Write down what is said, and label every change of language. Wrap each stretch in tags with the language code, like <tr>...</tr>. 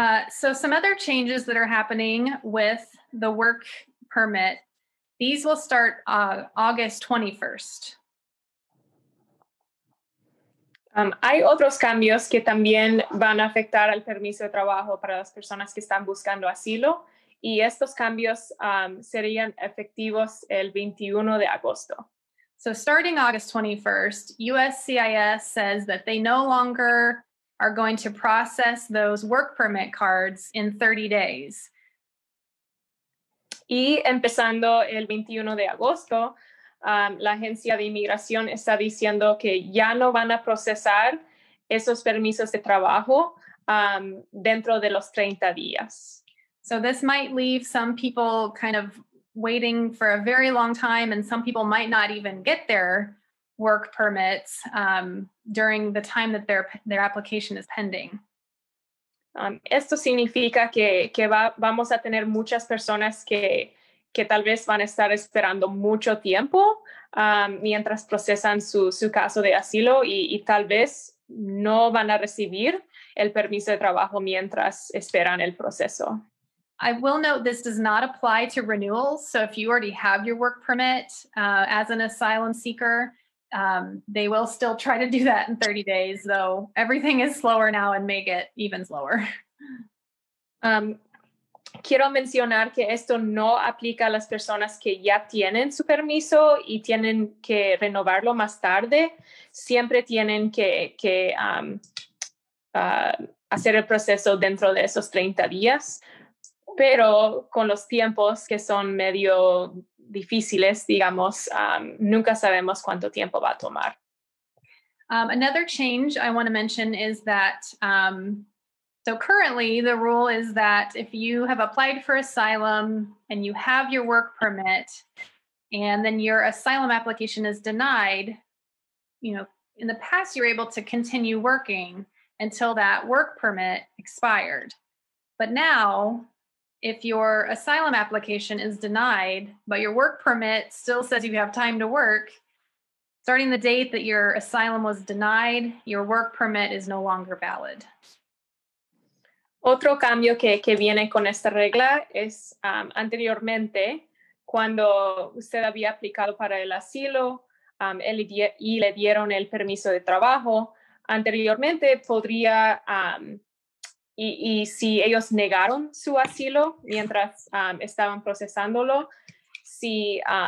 <en>So some other changes that are happening with the work permit, these will start August 21st.</en> <es>Hay otros cambios que también van a afectar al permiso de trabajo para las personas que están buscando asilo, y estos cambios serían efectivos el 21 de agosto.</es> <en>So starting August 21st, USCIS says that they no longer are going to process those work permit cards in 30 days.</en> <es>Y empezando el 21 de agosto, la agencia de inmigración está diciendo que ya no van a procesar esos permisos de trabajo dentro de los 30 días.</es> <en>So this might leave some people kind of waiting for a very long time, and some people might not even get their work permits during the time that their application is pending.</en> <es>Esto significa que vamos a tener muchas personas que tal vez van a estar esperando mucho tiempo mientras procesan su caso de asilo y tal vez no van a recibir el permiso de trabajo mientras esperan el proceso.</es> <en>I will note this does not apply to renewals. So if you already have your work permit as an asylum seeker, they will still try to do that in 30 days, though everything is slower now and may get even slower.</en> <es>Quiero mencionar que esto no aplica a las personas que ya tienen su permiso y tienen que renovarlo más tarde. Siempre tienen que hacer el proceso dentro de esos 30 días. Pero con los tiempos que son medio difíciles, digamos, nunca sabemos cuánto tiempo va a tomar.</es> <en>Another change I want to mention is that, so currently the rule is that if you have applied for asylum and you have your work permit and then your asylum application is denied, you know, in the past you were able to continue working until that work permit expired. But now, if your asylum application is denied, but your work permit still says you have time to work, starting the date that your asylum was denied, your work permit is no longer valid.</en> <es>Otro cambio que viene con esta regla es anteriormente, cuando usted había aplicado para el asilo y le dieron el permiso de trabajo, anteriormente podría, y si ellos negaron su asilo mientras estaban procesándolo, si</es>